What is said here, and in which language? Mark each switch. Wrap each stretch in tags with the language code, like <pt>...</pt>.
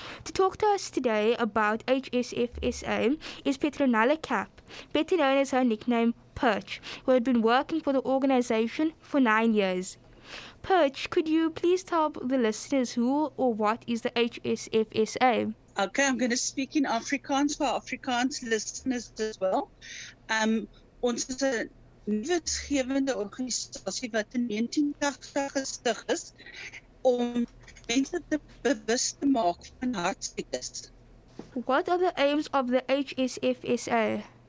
<en>To talk to us today about HSFSA is Petronella Kapp, better known as her nickname Perch, who had been working for the organization for 9 years. Perch, could you please tell the listeners who or what is the HSFSA? Okay, I'm going to speak in Afrikaans for Afrikaans listeners as well.</en> <af>Ons is 'n nuwensgewende organisasie wat in 1980 gestig is om mense te bewus te maak van hartsiektes.</af> <en>What are the aims of the HSFSA?</en>